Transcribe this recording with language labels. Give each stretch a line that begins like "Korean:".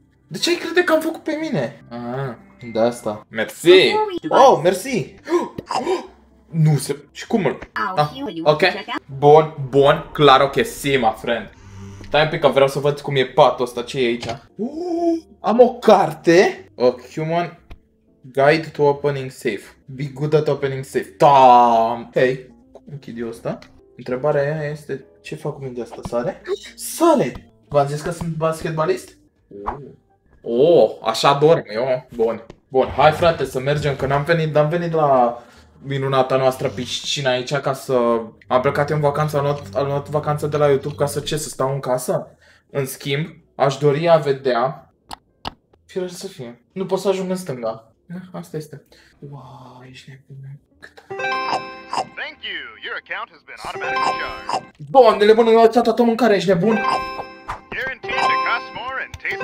Romanian: De ce ai crede că am făcut pe mine? Ah, de asta. Mersi! Oh, mersi! Nu se... Și cum îl... Ah, ok. Bun, bun, clar, ok, si,
English: my friend.
Romanian: Stai un pic că vreau să văd cum e patul ăsta, ce e aici. Am o carte.
English: A human guide to opening safe. Be good at opening safe. Tam.
Romanian: Hei, cum închid eu ăsta? Întrebarea aia este, ce fac cu mintea asta, sare? Sare! V-am zis că sunt basketbalist? Oh, așa dorm eu. Bun, bun, hai frate să mergem, că n-am venit la... Minunata noastră piscina aici ca să... Am plecat eu în vacanță, am luat vacanță de la YouTube ca să ce? Să stau în casă? În schimb, aș dori a vedea... Firește să fie. Nu pot să ajung în stânga. Asta este. Wow, ești nebună. Cât?
English: Thank you. Your account has been automatically charged.
Romanian: Doamnele, bă, nu-i luați toată mâncarea, ești nebun?
English: Guaranteed to cost more and taste...